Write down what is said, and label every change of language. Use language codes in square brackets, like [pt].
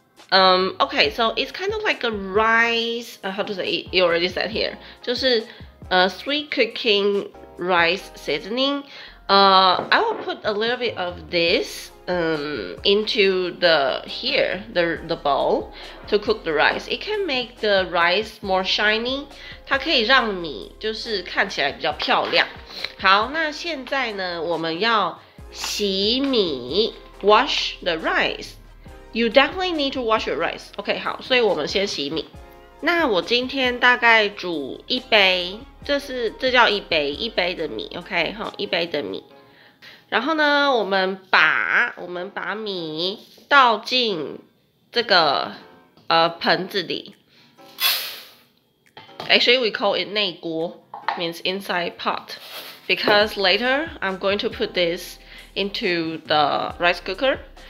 [en] Okay, so it's kind of like a rice. How to say? You already said here. 就是sweet cooking rice seasoning. I will put a little bit of this into the bowl to cook the rice. It can make the rice more shiny. [zh] 它可以让米就是看起来比较漂亮。好，那现在呢，我们要洗米 ， [en] wash the rice. You definitely need to wash your rice. Okay, [zh] 好，所以我们先洗米。那我今天大概煮一杯，这叫一杯的米。 Okay, 好，一杯的米。然后呢，我们把米倒进这个盆子里。 [en] Actually, we call it 内锅 means inside pot, because later I'm going to put this into the rice cooker.